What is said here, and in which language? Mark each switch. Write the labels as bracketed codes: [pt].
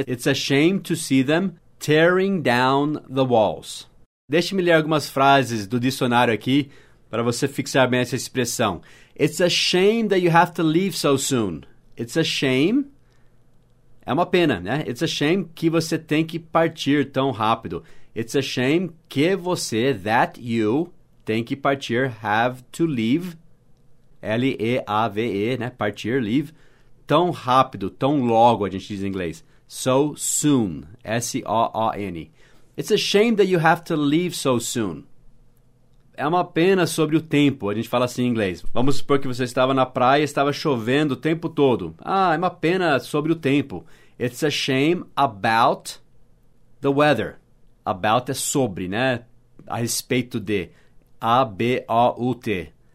[en] It's a shame to see them tearing down the walls. [pt] Deixe-me ler algumas frases do dicionário aqui, para você fixar bem essa expressão. [en] It's a shame that you have to leave so soon. It's a shame. [pt] É uma pena, né? [en] It's a shame [pt] que você tem que partir tão rápido. [en] It's a shame [pt] que você, [en] that you, [pt] tem que partir, [en] have to leave. [pt] L-E-A-V-E, né? Partir, leave. Tão rápido, tão logo, a gente diz em inglês. [en] So soon. S-O-O-N. It's a shame that you have to leave so soon. [pt] É uma pena sobre o tempo, a gente fala assim em inglês. Vamos supor que você estava na praia e estava chovendo o tempo todo. Ah, é uma pena sobre o tempo. [en] It's a shame about the weather. [pt] About é sobre, né? A respeito de. A-B-O-U-T.